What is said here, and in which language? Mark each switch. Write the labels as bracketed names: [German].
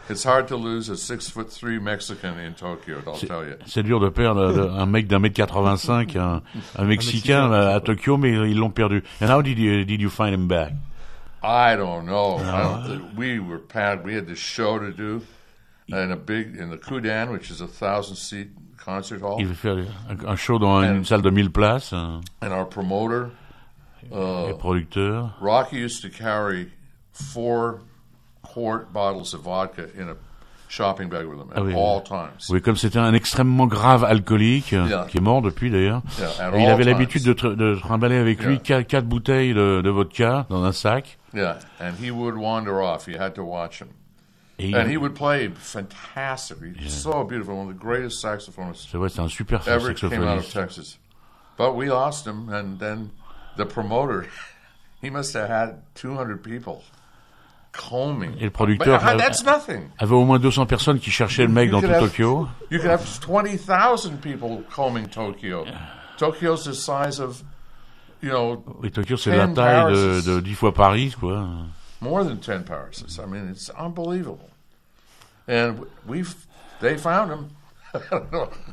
[English] It's hard to lose a 6'3" Mexican in Tokyo, I'll tell you. [French] C'est dur de perdre un mec d'1m85, un Mexicain à Tokyo, mais ils l'ont perdu. [English] And how did you find him back? I don't know. We were panicked. We had this show to do in the Kudan, which is a 1,000-seat concert hall. [French] Il veut faire un show dans une salle de 1,000 places. [English] And our promoter, [French] et producteur. [English] Rocky used to carry 4-quart bottles of vodka in a shopping bag with him at all times. [French] Oui, comme c'était un extrêmement grave alcoolique, yeah. qui est mort depuis d'ailleurs. Yeah, il avait l'habitude de trimballer avec lui 4 bouteilles de vodka dans un sac. [English] Yeah, and he would wander off. You had to watch him. And he would play fantastic. He's yeah. so beautiful, one of the greatest saxophonists [French] c'est vrai, c'est un super [English] ever [French] saxophoniste. [English] Came out of Texas. But we lost him, and then the promoter, he must have had 200 people combing. [French] Et le producteur [English] But, that's nothing. [French] Avait au moins 200 personnes qui cherchaient le mec dans tout Tokyo. [English] You could have 20,000 people combing Tokyo. Yeah. Tokyo's the size of... [French] Et Tokyo, c'est la taille de 10 fois Paris, quoi. [English] More than 10 Paris. I mean, it's unbelievable. And they found him.